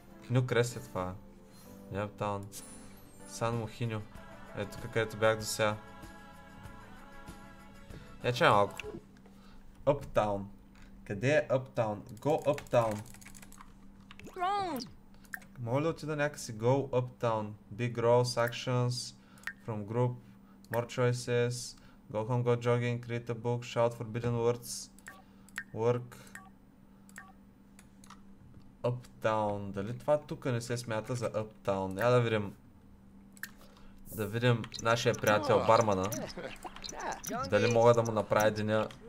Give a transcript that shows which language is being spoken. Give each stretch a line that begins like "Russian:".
Bulgarian: Ню крест е това. Не е uptown. Сан Мохиньо. Ето където бях до сега. Я чай малко. Uptown. Къде е uptown?
English: Go uptown. Wrong.
Bulgarian: Мога ли да отида някакси
English: go uptown? Big roles, actions, from group, more choices, go home, go jogging, create a book, shout forbidden words, work. Uptown.
Bulgarian: Дали това тук не се смята за uptown? Я да видим. Да видим нашия приятел бармана. Дали мога да му направя деня.